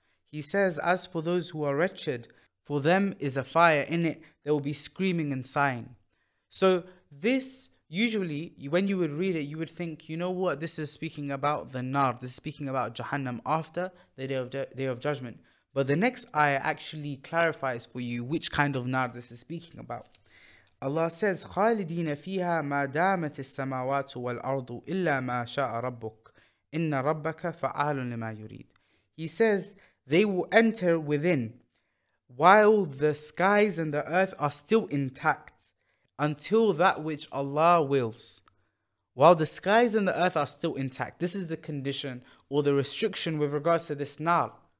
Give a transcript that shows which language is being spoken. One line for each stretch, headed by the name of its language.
English: He says, as for those who are wretched, for them is a fire in it, they will be screaming and sighing. So this, usually, when you would read it, you would think, you know what, this is speaking about the Nar, this is speaking about Jahannam after the Day of Judgment. But the next ayah actually clarifies for you which kind of Nar this is speaking about. Allah says,
Arabic: خَالِدِينَ فِيهَا مَا دَامَتِ السَّمَاوَاتُ وَالْأَرْضُ إِلَّا مَا شَاءَ رَبُّكَ إِنَّ رَبَّكَ فَعَالٌ لِمَا يُرِيدُ.
English: He says, they will enter within while the skies and the earth are still intact until that which Allah wills. While the skies and the earth are still intact, this is the condition or the restriction with regards to this nar.